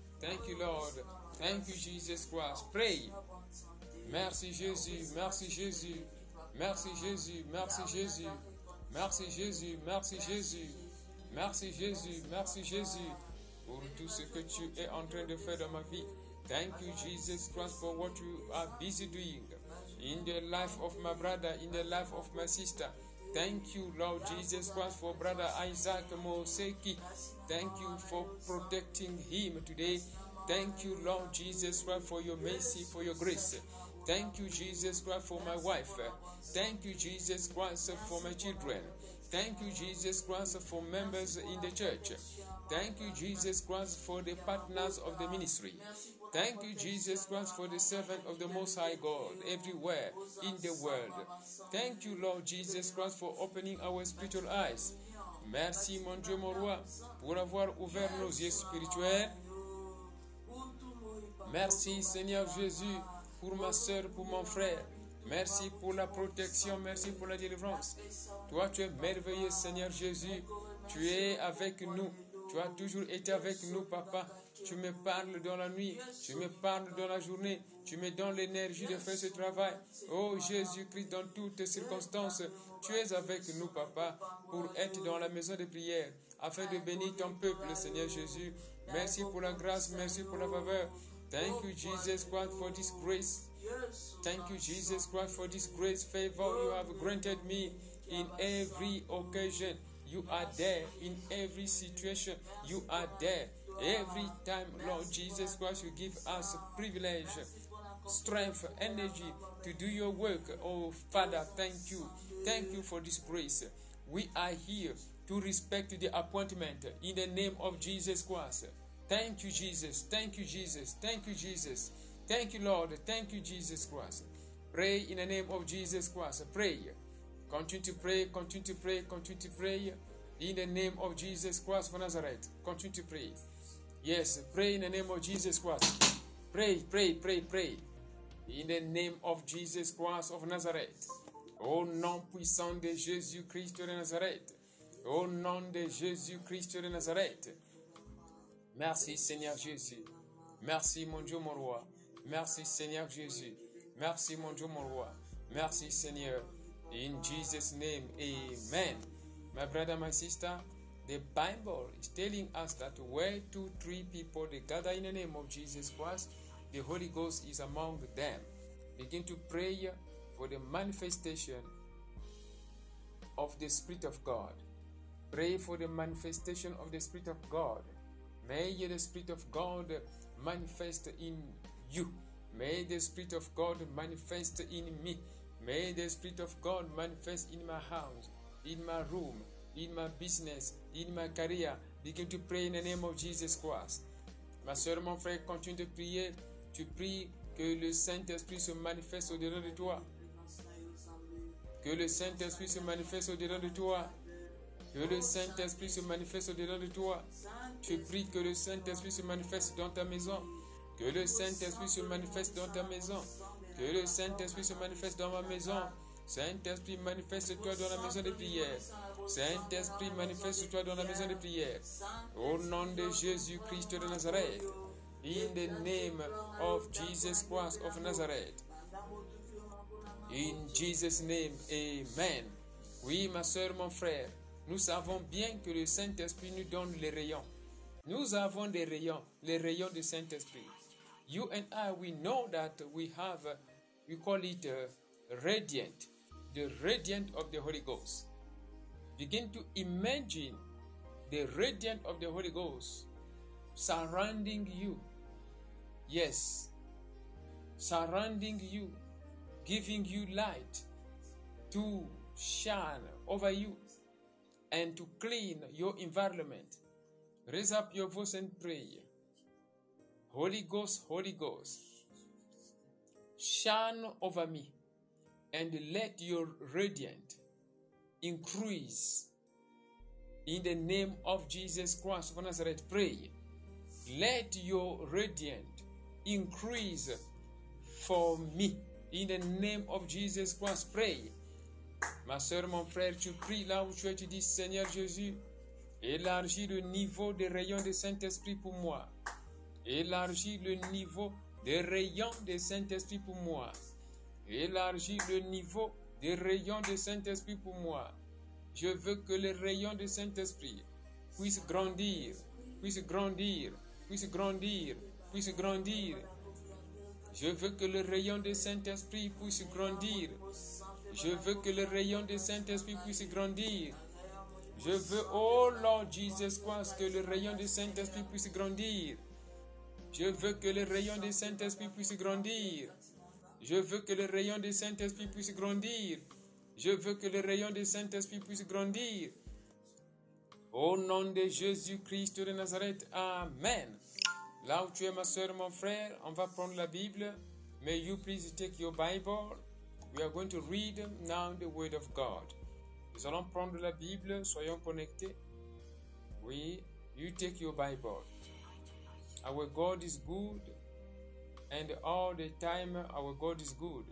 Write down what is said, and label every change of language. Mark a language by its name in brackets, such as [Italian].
[English] Thank you Lord, thank you Jesus Christ. Pray. [French] Merci Jésus, merci Jésus, merci Jésus, merci Jésus, merci Jésus, merci Jésus, merci Jésus, merci Jésus, pour tout ce que tu es en train de faire dans ma vie. [English] Thank you, Jesus Christ, for what you are busy doing in the life of my brother, in the life of my sister. Thank you, Lord Jesus Christ, for brother Isaac Moseki. Thank you for protecting him today. Thank you, Lord Jesus Christ, for your mercy, for your grace. Thank you, Jesus Christ, for my wife. Thank you, Jesus Christ, for my children. Thank you, Jesus Christ, for members in the church. Thank you, Jesus Christ, for the partners of the ministry. Thank you, Jesus Christ, for the servant of the Most High God everywhere in the world. Thank you, Lord Jesus Christ, for opening our spiritual eyes. [French] Merci, mon Dieu, mon roi, pour avoir ouvert nos yeux spirituels. Merci, Seigneur Jésus, pour ma soeur, pour mon frère. Merci pour la protection, merci pour la délivrance. Toi, tu es merveilleux, Seigneur Jésus. Tu es avec nous. Tu as toujours été avec nous, Papa. Tu me parles dans la nuit. Tu me parles dans la journée. Tu me donnes l'énergie de faire ce travail. Oh, Jésus-Christ, dans toutes les circonstances, tu es avec nous, Papa, pour être dans la maison de prière, afin de bénir ton peuple, Seigneur Jésus. Merci pour la grâce, merci pour la faveur. [English] Thank you, Jesus Christ, for this grace. Thank you, Jesus Christ, for this grace, favor you have granted me in every occasion. You are there in every situation. You are there every time, Lord Jesus Christ, you give us privilege, strength, energy to do your work. Oh, Father, thank you. Thank you for this grace. We are here to respect the appointment in the name of Jesus Christ. Thank you, Jesus. Thank you, Jesus. Thank you, Jesus. Thank you, Lord. Thank you, Jesus Christ. Pray in the name of Jesus Christ. Pray. Continue to pray. Continue to pray. Continue to pray. In the name of Jesus Christ of Nazareth. Continue to pray. Yes, pray in the name of Jesus Christ. Pray, pray, pray, pray. In the name of Jesus Christ of Nazareth. [French] Au nom puissant de Jésus-Christ de Nazareth. Au nom de Jésus-Christ de Nazareth. Merci, Seigneur Jésus. Merci, mon Dieu, mon roi. Merci, Seigneur Jésus. Merci, mon Dieu, mon roi. Merci, Seigneur. [English] In Jesus' name, amen. My brother, my sister, the Bible is telling us that where two, three people they gather in the name of Jesus Christ, the Holy Ghost is among them. Begin to pray for the manifestation of the Spirit of God. Pray for the manifestation of the Spirit of God. May the Spirit of God manifest in you. May the Spirit of God manifest in me. May the Spirit of God manifest in my house, in my room, in my business, in my career. Begin to pray in the name of Jesus Christ. [French] Ma soeur, mon frère, continue de prier. Tu pries que le Saint-Esprit se manifeste au-delà de toi. Que le Saint-Esprit se manifeste au-dedans de toi. Que le Saint-Esprit se manifeste au-dedans de toi. Tu pries que le Saint-Esprit se manifeste dans ta maison. Que le Saint-Esprit se manifeste dans ta maison. Que le Saint-Esprit se manifeste dans ma maison. Saint-Esprit, manifeste-toi dans la maison de prière. Saint-Esprit, manifeste-toi dans la maison de prière. Au nom de Jésus-Christ de Nazareth. [English] In the name of Jesus Christ of Nazareth. In Jesus' name, Amen. [French] Oui, ma soeur, mon frère, nous savons bien que le Saint-Esprit nous donne les rayons. Nous avons des rayons, les rayons du Saint-Esprit. [English] You and I, we know that we have, we call it radiant, the radiant of the Holy Ghost. Begin to imagine the radiant of the Holy Ghost surrounding you. Yes, surrounding you, giving you light to shine over you and to clean your environment. Raise up your voice and pray. Holy Ghost, Holy Ghost, shine over me and let your radiant increase in the name of Jesus Christ of Nazareth. Pray. Let your radiant increase for me in the name of Jesus Christ. Pray. [French] Ma soeur, mon frère, tu pries là où tu es, tu dis, Seigneur Jésus, élargis le niveau des rayons du Saint-Esprit pour moi. Élargis le niveau des rayons du Saint-Esprit pour moi. Élargis le niveau des rayons du Saint-Esprit pour moi. Je veux que les rayons du Saint-Esprit puissent grandir, puissent grandir, puissent grandir, puissent grandir. Je veux que le rayon du Saint-Esprit puisse grandir. Je veux que le rayon du Saint-Esprit puisse grandir. Je veux, oh Lord Jesus Christ, que le rayon du Saint-Esprit puisse grandir. Je veux que le rayon du Saint-Esprit puisse grandir. Je veux que le rayon du Saint-Esprit puisse grandir. Je veux que le rayon du Saint-Esprit puisse grandir. Au nom de Jésus-Christ de Nazareth, Amen. Là où tu es, ma soeur, mon frère, on va prendre la Bible. [English] May you please take your Bible. We are going to read now the Word of God. [French] Nous allons prendre la Bible, soyons connectés. [English] Oui, you take your Bible. Our God is good, and all the time our God is good.